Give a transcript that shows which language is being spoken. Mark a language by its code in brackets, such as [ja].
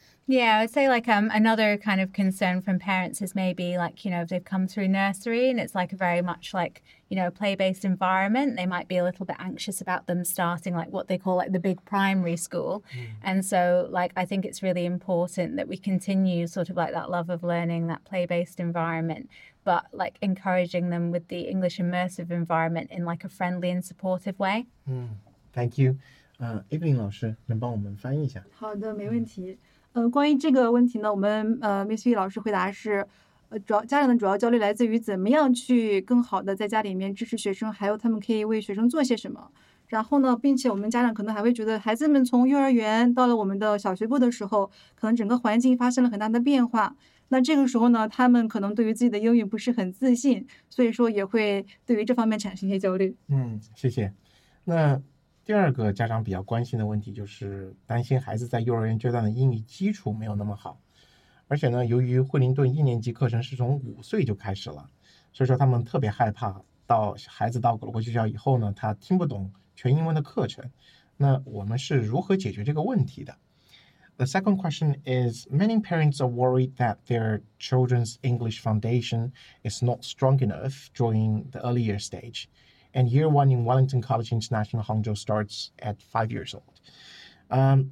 [en] Yeah, I would say like another kind of concern from parents is maybe like, you know, if they've come through nursery and it's like a very much like, you know, play-based environment, they might be a little bit anxious about them starting like what they call like the big primary school. And so like, I think it's really important that we continue sort of like that love of learning, that play-based environment, but like encouraging them with the English immersive environment in like a friendly and supportive way. Thank you. [zh] Evelyn 老师能帮我们翻译一下？好的，没问题。关于这个问题呢，我们Miss V 老师回答是，主要家长的主要焦虑来自于怎么样去更好的在家里面支持学生，还有他们可以为学生做些什么。然后呢，并且我们家长可能还会觉得，孩子们从幼儿园到了我们的小学部的时候，可能整个环境发生了很大的变化。那这个时候呢，他们可能对于自己的英语不是很自信，所以说也会对于这方面产生一些焦虑。谢谢。那第二个家长比较关心的问题就是担心孩子在幼儿园阶段的英语基础没有那么好，而且呢，由于惠灵顿一年级课程是从五岁就开始了，所以说他们特别害怕到孩子到国际学校以后呢，他听不懂全英文的课程。那我们是如何解决这个问题的 ？ [en] The second question is many parents are worried that their children's English foundation is not strong enough during the earlier stage. And year one in Wellington College International Hangzhou starts at 5 years old.